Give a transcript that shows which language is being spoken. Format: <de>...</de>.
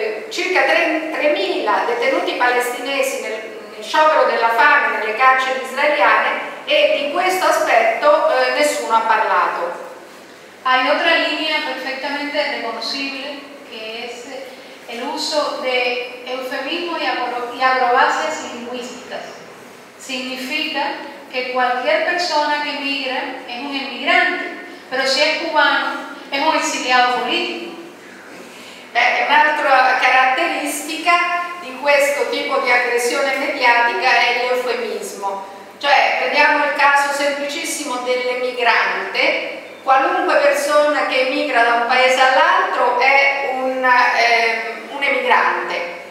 <it>circa 3.000 detenuti palestinesi nel sciopero della fame nelle carceri israeliane, e di questo aspetto nessuno ha parlato.</it> <es>Hay otra línea perfectamente reconocible, que es el uso de eufemismos y acrobacias lingüísticas. Significa que cualquier persona que emigra es un emigrante, pero si es cubano es un exiliado político.</es> <it>Beh, un'altra caratteristica di questo tipo di aggressione mediatica è l'eufemismo. Cioè, prendiamo il caso semplicissimo dell'emigrante. Qualunque persona che emigra da un paese all'altro è un emigrante.</it>